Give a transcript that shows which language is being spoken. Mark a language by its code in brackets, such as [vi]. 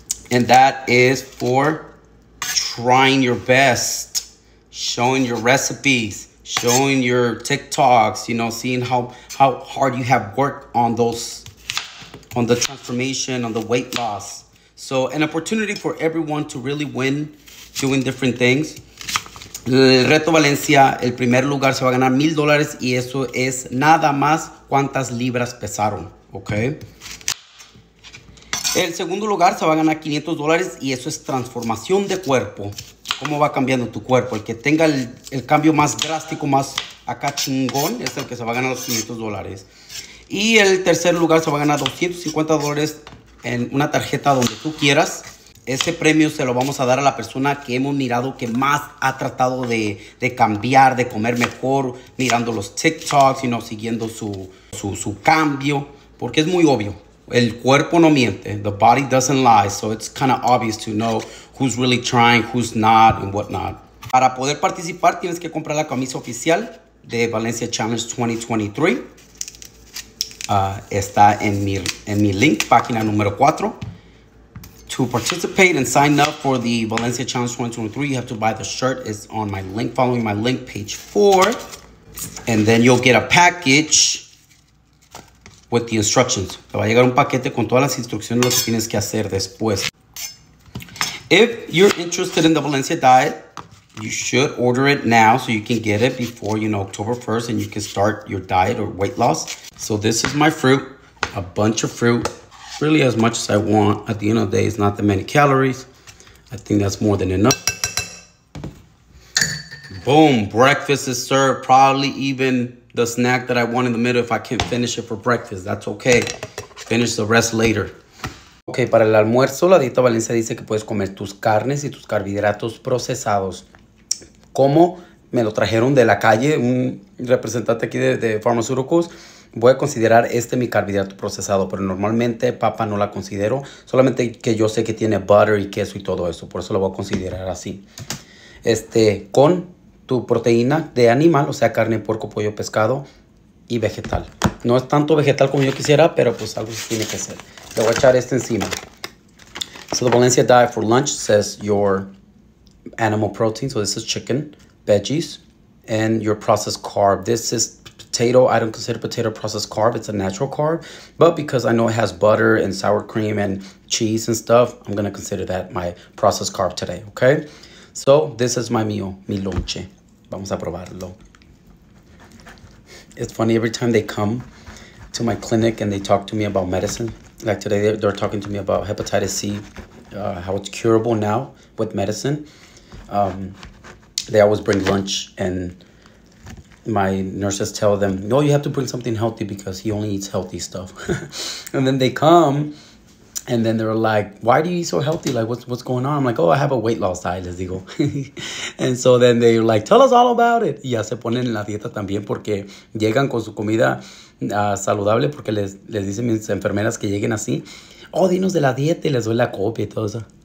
[en] And that is for trying your best, showing your recipes, showing your TikToks, you know, seeing how hard you have worked on those, on the transformation, on the weight loss. So an opportunity for everyone to really win doing different things. [es] El Reto Valencia, el primer lugar se va a ganar $1,000 y eso es nada más cuántas libras pesaron, okay? El segundo lugar se va a ganar $500 y eso es transformación de cuerpo. ¿Cómo va cambiando tu cuerpo? El que tenga el cambio más drástico, más acá chingón, es el que se va a ganar los $500. Y el tercer lugar se va a ganar $250 en una tarjeta donde tú quieras. Ese premio se lo vamos a dar a la persona que hemos mirado que más ha tratado de cambiar, de comer mejor, mirando los TikToks, sino siguiendo su cambio, porque es muy obvio. El cuerpo no miente. [en] The body doesn't lie. So it's kind of obvious to know who's really trying, who's not, and whatnot. [es] Para poder participar, tienes que comprar la camisa oficial de Valencia Challenge 2023. Está en mi link, página número 4. [en] To participate and sign up for the Valencia Challenge 2023, you have to buy the shirt. It's on my link, following my link, page 4. And then you'll get a package with the instructions. [es] Te va a llegar un paquete con todas las instrucciones lo que tienes que hacer después. [en] If you're interested in the Valencia diet, you should order it now so you can get it before, you know, October 1st and you can start your diet or weight loss. So this is my fruit, a bunch of fruit, really as much as I want. At the end of the day, it's not that many calories. I think that's more than enough. Boom, breakfast is served, probably even the snack that I want in the middle if I can't finish it for breakfast. That's okay. Finish the rest later. [es] Okay, para el almuerzo, la dieta Valencia dice que puedes comer tus carnes y tus carbohidratos procesados. Como me lo trajeron de la calle, un representante aquí de Pharmaceuticals, voy a considerar mi carbohidrato procesado, pero normalmente papa no la considero, solamente que yo sé que tiene butter y queso y todo eso, por eso lo voy a considerar así. Con tu proteína de animal, o sea, carne, puerco, pollo, pescado y vegetal. No es tanto vegetal como yo quisiera, pero pues algo sí tiene que ser. Le voy a echar encima. [en] So the Valencia diet for lunch says your animal protein. So this is chicken, veggies, and your processed carb. This is potato, I don't consider potato processed carb. It's a natural carb. But because I know it has butter and sour cream and cheese and stuff, I'm going to consider that my processed carb today, okay? So this is my meal, [es] mi lonche. Vamos a probarlo. [en] It's funny, every time they come to my clinic and they talk to me about medicine, like today they're talking to me about hepatitis C, how it's curable now with medicine. They always bring lunch, and my nurses tell them, no, you have to bring something healthy because he only eats healthy stuff. And then they come, and then they're like, why do you eat so healthy? Like, what's going on? I'm like, oh, I have a weight loss diet, [es] les digo. [en] And so then they're like, tell us all about it. [es] Y ya se ponen en la dieta también porque llegan con su comida saludable porque les dicen mis enfermeras que lleguen así. Oh, dinos de la dieta y les doy la copia y todo eso.